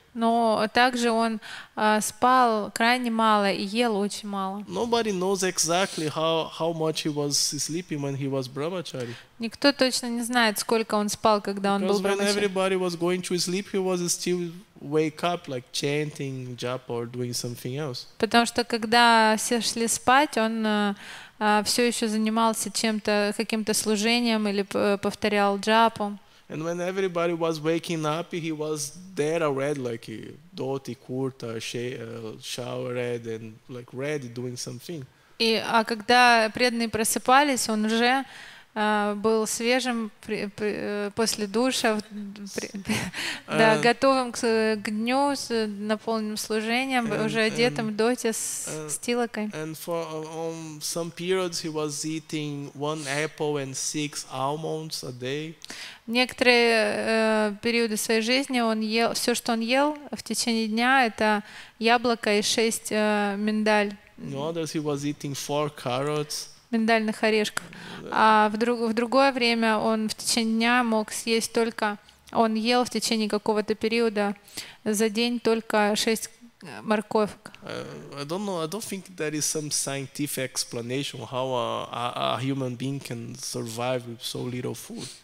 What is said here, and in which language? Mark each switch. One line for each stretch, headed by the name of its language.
Russian: Но также он спал крайне мало и ел очень мало.
English: Nobody knows exactly how much he was sleeping when he was brahmachari.
Russian: Никто точно не знает, сколько он спал, когда он был brahmachari.
English: Because when everybody was going to sleep, he was still wake up like chanting japa or doing something else.
Russian: Потому что когда все шли спать, он все еще занимался чем-то, каким-то служением или повторял джапу.
English: And when everybody was waking up, he was there already, like dhoti, kurta, showered and like ready doing something.
Russian: И а когда преданные просыпались, он уже был свежим после душа, да, готовым к дню, наполненным служением, уже одетым в доти с тилакой.
English: And for some periods he was eating one apple and six almonds a day.
Russian: Некоторые периоды своей жизни он ел, все, что он ел в течение дня, это яблоко и шесть миндаль.
English: In others he was eating four carrots.
Russian: Миндальных орешков. А в другое время он в течение дня мог съесть только, он ел в течение какого-то периода за день только шесть морковок.
English: I don't know. I don't think there is some scientific explanation how a human being can survive with so little food.